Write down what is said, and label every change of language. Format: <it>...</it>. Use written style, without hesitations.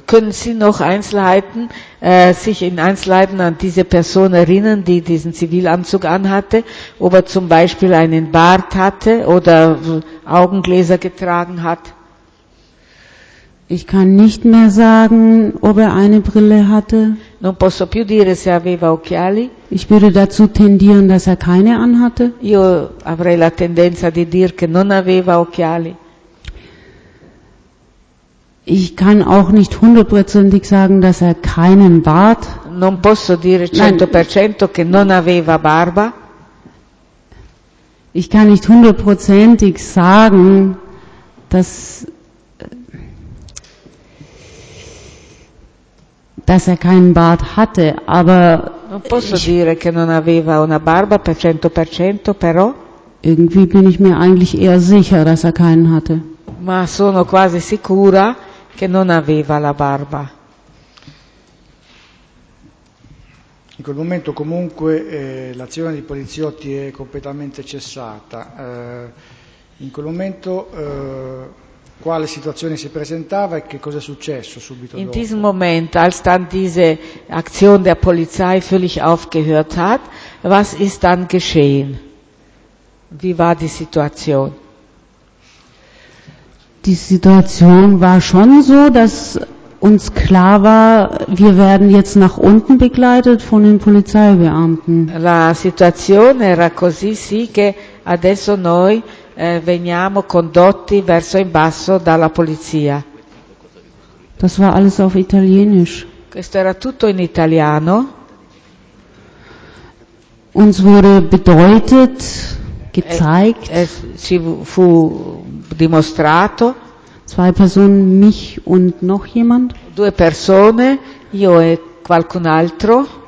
<de>Können Sie noch Einzelheiten, sich in Einzelheiten an diese Person erinnern, die diesen Zivilanzug anhatte, ob er zum Beispiel einen Bart hatte oder Augengläser getragen hat? Ich kann nicht mehr sagen, ob er eine Brille hatte.</de> <it>Non posso più dire se aveva occhiali.</it> <de>Ich würde dazu tendieren, dass er keine anhatte.</de> <it>Io avrei la tendenza di dir che non aveva occhiali.</it> <de>Ich kann auch nicht hundertprozentig sagen, dass er keinen Bart.</de> <it>Non posso dire 100% che non aveva barba.</it> <de>Ich kann nicht hundertprozentig sagen, dass dass er keinen Bart hatte, aber</de> <it>non posso dire che non aveva una barba per 100%, però</it> <de>irgendwie bin ich mir eigentlich eher sicher, dass er keinen hatte.</de> <it>Ma sono quasi sicura che non aveva la barba. In quel momento comunque l'azione di poliziotti è completamente cessata. In quel momento quale situazione si presentava e che cosa è successo subito in dopo?</it> <de>In diesem Moment, als dann diese Aktion der Polizei völlig aufgehört hat, was ist dann geschehen? Wie war die Situation? Die Situation war schon so, dass uns klar war, wir werden jetzt nach unten begleitet von den Polizeibeamten.</de> <it>La situazione era così, sì, che adesso noi veniamo condotti verso in basso dalla polizia.</it> <de>Das war alles auf Italienisch.</de> <it>Questo era tutto in italiano.</it> <de>Uns wurde bedeutet, gezeigt.</de> <it>Ci fu dimostrato.</it> <de>Zwei Personen, mich und noch jemand.</de> <it>Due persone, io e qualcun altro.</it>